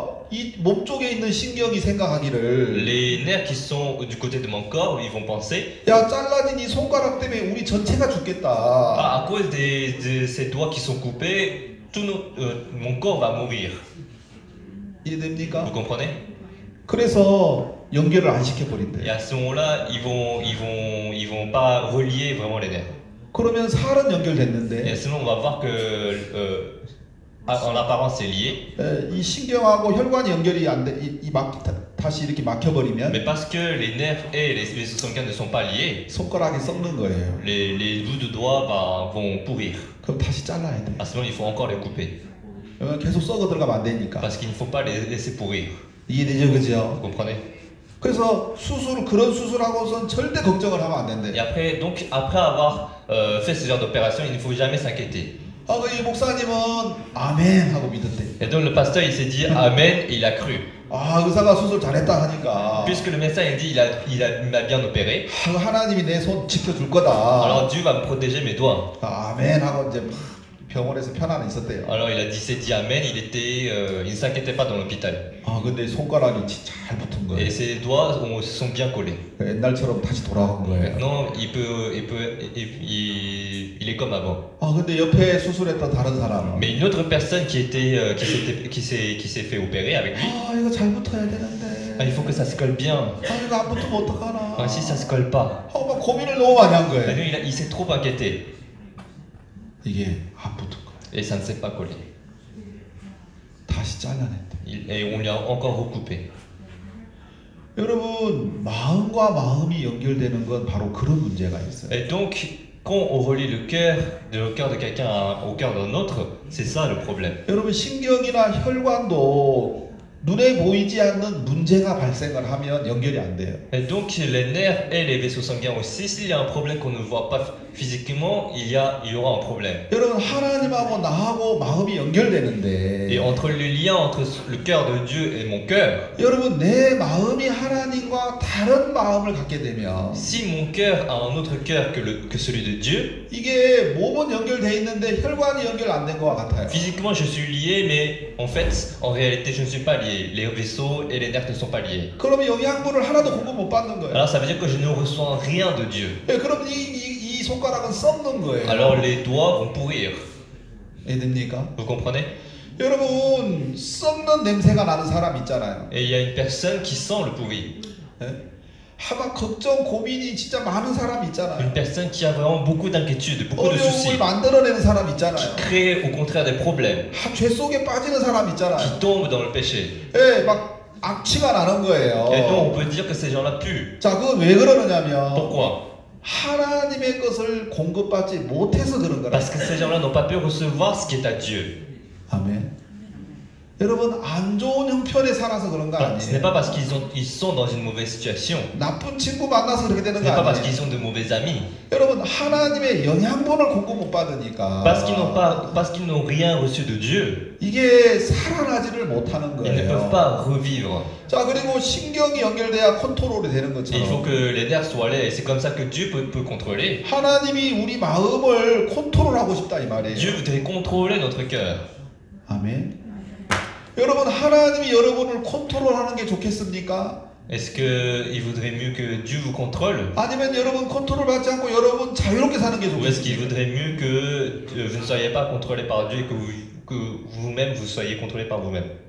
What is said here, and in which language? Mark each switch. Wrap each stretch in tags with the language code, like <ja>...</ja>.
<ko>이 몸 쪽에 있는 신경이 생각하기를</ko> <fr>Les nerfs qui sont du côté de mon corps, ils vont penser</fr> <ko>야, 잘라진 이 손가락 때문에 우리 전체가 죽겠다</ko> <fr>À cause de ces doigts qui sont coupés, mon corps va mourir</fr> <ko>이해됩니까?</ko> <fr>Vous comprenez?</fr> <ko>그래서 연결을 안 시켜버린대</ko> <fr>Et à ce moment-là, ils vont pas relier vraiment les nerfs</fr> <ko>그러면 살은 연결됐는데</ko> <fr>Et à ce moment, on va voir que En apparence, c'est lié.</fr> <ko>이 신경하고 혈관이 연결이 안 돼, 이 막 다시 이렇게 막혀버리면.</ko> <fr>Mais parce que les nerfs et les vaisseaux sanguins ne sont pas liés.</fr> <ko>손가락이 썩는 거예요.</ko> <fr>Les bouts de doigts vont pourrir.</fr> <ko>그럼 다시 잘라야 돼.</ko> <fr>À ce moment, il faut encore les couper.</fr> <ko>계속 썩어 들어가면 안 되니까.</ko> <fr>Parce qu'il ne faut pas les laisser pourrir.</fr> <ko>이해되죠, 그죠?</ko> <fr>Vous comprenez?</fr> <ko>그래서 수술 그런 수술하고선 절대 걱정을 하면 안 된대.</ko> <fr>Et après, donc après avoir fait ce genre d'opération, il ne faut jamais s'inquiéter.</fr> <ko>아, 그 이 목사님은 아멘 하고 믿었대.</ko> <fr>Et donc le pasteur il s'est dit amen et il a cru.</fr> <ko>아, 의사가 수술 잘했다 하니까.</ko> <fr>Puisque le médecin il dit il m'a bien opéré.</fr> <ko>아, 하나님이 내 손 지켜줄 거다.</ko> <fr>Alors Dieu va me protéger mes doigts.</fr> <ko>아, 아멘 하고 이제 병원에서 편안히 있었대요.</ko> <fr>Alors il a dit c'est dit amen, il était il ne s'inquiétait pas dans l'hôpital.</fr> <ko>아, 근데 손가락이 잘 붙은 거예요.</ko> <fr>Et ses doigts sont bien collés.</fr> <ko>옛날처럼 다시 돌아간 거예요.</ko> <fr>Maintenant il est comme avant.</fr> <ko>아, 근데 옆에 수술했던 다른 사람은</ko> <fr>Mais une autre personne qui s'est fait opérer avec lui.</fr> <ko>아, 이거 잘 붙어야 되는데.</ko> <fr>Il faut que ça se colle bien.</fr> <ko>아, 이거 안 붙으면 어떡하나.</ko> <fr>Ah, si ça se colle pas.</fr> <ko>아, 막 고민을 너무 많이 한 거예요.</ko> <fr>Alors, il s'est trop inquiété.</fr> <ko>이게 안 붙은 거.</ko> <fr>Et ça ne s'est pas collé.</fr> <ko>다시 잘라냈대.</ko> <fr>Et on l'a encore recoupé.</fr> <ko>여러분 마음과 마음이 연결되는 건 바로 그런 문제가 있어요.</ko> <fr>Et donc quand on relie le cœur de quelqu'un au cœur d'un autre, c'est ça le problème.</fr> <ko>여러분 신경이나 혈관도 눈에 보이지 않는 문제가 발생을 하면 연결이 안 돼요.</ko> <fr>Et donc les nerfs et les vaisseaux sanguins aussi, s'il y a un problème qu'on ne voit pas physiquement, il y aura un problème.</fr> <ko>여러분, 하나님하고 나하고 마음이 연결되는데.</ko> <fr>Et entre le lien entre le cœur de Dieu et mon cœur.</fr> <ko>여러분, 내 마음이 하나님과 다른 마음을 갖게 되면.</ko> <fr>Si mon cœur a un autre cœur que celui de Dieu.</fr> <ko>이게 몸은 연결돼 있는데 혈관이 연결 안 된 것 같아요.</ko> <fr>Physiquement, je suis lié, mais en fait, en réalité, je ne suis pas lié. Les vaisseaux et les nerfs ne sont pas liés.</fr> <ko>그럼 여기 학문을 하나도 공부 못 받는 거예요.</ko> <fr>Alors, ça veut dire que je ne reçois rien de Dieu.</fr> <ko>예, 그럼 이 손가락은 썩는 거예요.</ko> <fr>Alors, les doigts vont pourrir.</fr> <ko>예, 됩니까?</ko> <fr>Vous comprenez?</fr> <ko>여러분, 썩는 냄새가 나는 사람 있잖아요.</ko> <fr>Et il y a une personne qui sent le pourri.</fr> <ko>예? 아마 걱정 고민이 진짜 많은 사람 있잖아요.</ko> <fr>Une personne qui a vraiment beaucoup d'inquiétude, beaucoup de soucis.</fr> <ko>어려움을 만들어내는 사람 있잖아요.</ko> <fr>Qui crée au contraire des problèmes.</fr> <ko>아, 죄 속에 빠지는 사람 있잖아요.</ko> <fr>Qui tombe dans le péché.</fr> <ko>예, 막 악취가 나는 거예요.</ko> <fr>Et donc on peut dire que ces gens-là puent.</fr> <ko>자, 그건 왜 그러느냐면.</ko> <fr>Pourquoi?</fr> <ko>하나님의 것을 공급받지 못해서 그런 거라.</ko> <fr>Parce que ces gens-là n'ont pas pu recevoir ce qui est à Dieu.</fr> <ko>아멘. 여러분 안 좋은 형편에 살아서 그런 거 아니에요?</ko> <fr>Ce n'est pas parce qu'ils sont dans une mauvaise situation.</fr> <ko>나쁜 친구 만나서 그렇게 되는 거 아니에요?</ko> <fr>Ce n'est pas parce qu'ils sont de mauvais amis.</fr> <ko>여러분 하나님의 영양분을 공급 못 받으니까.</ko> <fr>Parce qu'ils n'ont rien reçu de Dieu.</fr> <ko>이게 살아나지를 못하는 거예요.</ko> <fr>Ils ne peuvent pas revivre.</fr> <ko>자 그리고 신경이 연결돼야 컨트롤이 되는 것처럼.</ko> <fr>Il faut que les nerfs soient liés. C'est comme ça que Dieu peut contrôler.</fr> <ko>하나님이 우리 마음을 컨트롤하고 싶다 이 말이에요.</ko> <fr>Dieu voudrait contrôler notre cœur.</fr> <ko>아멘. 여러분 하나님이 여러분을 컨트롤하는 게 좋겠습니까?</ko> <fr>Est-ce que il voudrait mieux que Dieu vous contrôle?</fr> <ko>아니면 여러분 컨트롤받지 않고 여러분 자유롭게 사는 게 좋겠습니까?</ko> <fr>Est-ce qu'il voudrait mieux que vous ne soyez pas contrôlé par Dieu et que vous-même vous soyez contrôlé par vous-même?</fr>